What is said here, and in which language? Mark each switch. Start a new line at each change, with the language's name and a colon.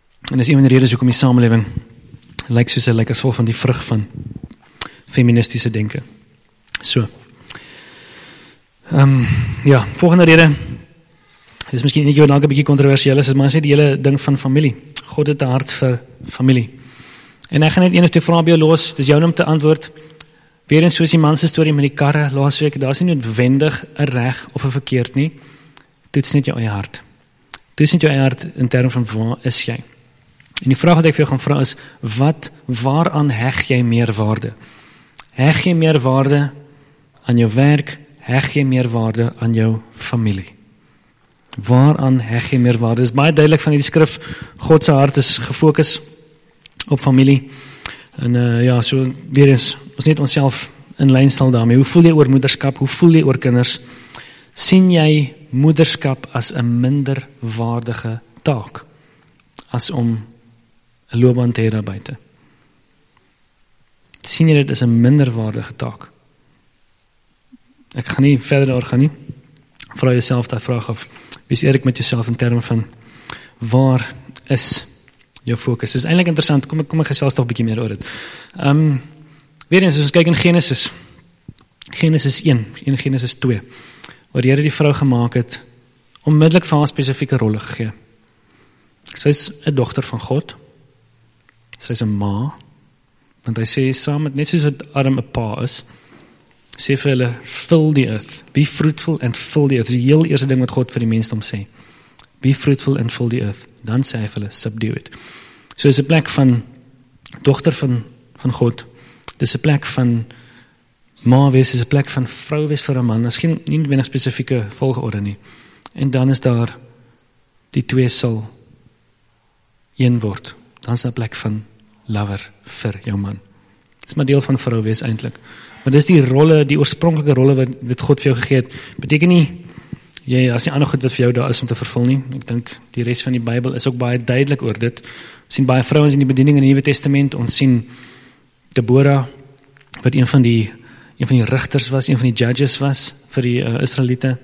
Afrikaans: En dis een van die redes hoekom die samelewing lyk soos hy lyk as vol van die vrug van feministiese denke. So, ja, volgende rede, dit is miskien enetjie wat dalk 'n bietjie kontroversieel is, maar is net die hele ding van familie. God het 'n hart vir familie. En ek gaan net een of twee vrae by jou los, dis jou om te antwoord. Weer eens soos die man se storie met die karre laas week, daar is nie noodwendig 'n reg of 'n verkeerd nie. Toets net jou eie hart. Toets net jou eie hart in term van waar is jy. En die vraag wat ek vir jou gaan vra is, waaraan heg jy meer waarde? Heg jy meer waarde aan jou werk? Heg jy meer waarde aan jou familie? Waaraan heg jy meer waarde? Dit is baie duidelik van die skrif, God se hart is gefokus op familie. En ja, so weer eens, ons net onsself in lyn stel daarmee. Hoe voel jy oor moederskap? Hoe voel jy oor kinders? Sien jy moederskap as 'n minder waardige taak as om 'n loopbaan te hê daarbuiten? Sien jy dit as 'n minder waardige taak? Ek gaan nie verder daar gaan nie. Vra jouself daai vraag af. Wees eerlik met jouself in terme van waar is jou fokus? Dis eintlik interessant. Kom ek gesels tog 'n bietjie meer oor dit. Weer eens, as ons kyk in Genesis. Genesis 1 en Genesis 2. Waar die Here die vrou gemaak het, onmiddellik vir haar spesifieke rolle gegee. Sy is 'n dogter van God. Sy is 'n ma. Want hy sê saam met, net soos wat Adam 'n pa is, sê vir hulle,
English: fill the earth. Be fruitful and fill the earth.
Afrikaans: Dit is die heel eerste ding wat God vir die mensdom sê.
English: Be fruitful and fill the earth.
Afrikaans: Dan sê hy vir hulle,
English: subdue it.
Afrikaans: So dit is 'n plek van dogter van God. Dit is 'n plek van ma wees, dit is 'n plek van vrou wees vir 'n man. Dit is geen nie weinig spesifieke volgorde nie. En dan is daar die twee sal een word. Dan is 'n plek van lover vir jou man. Dit is maar deel van vrou wees eintlik. Maar dis die rolle, die oorspronklike rolle wat God vir jou gegee het, beteken nie, jy, daar is nie ander goed wat vir jou daar is om te vervul nie. Ek dink die res van die Bybel is ook baie duidelik oor dit. Ons sien baie vrouens in die bediening in die Nuwe Testament, ons sien Deborah, wat een van die rigters was, een van die judges was vir die Israeliete.